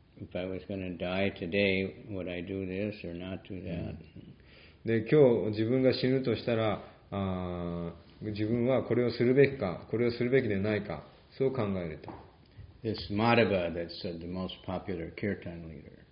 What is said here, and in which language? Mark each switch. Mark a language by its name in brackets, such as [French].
[English] If I was going to die today, would I do this or not do that?、 [Japanese] で今日自分が死ぬとしたら、自分はこれをするべきか、これをするべきでないか、そう考えると。 [English] This Madhava, that's the most popular kirtan leader.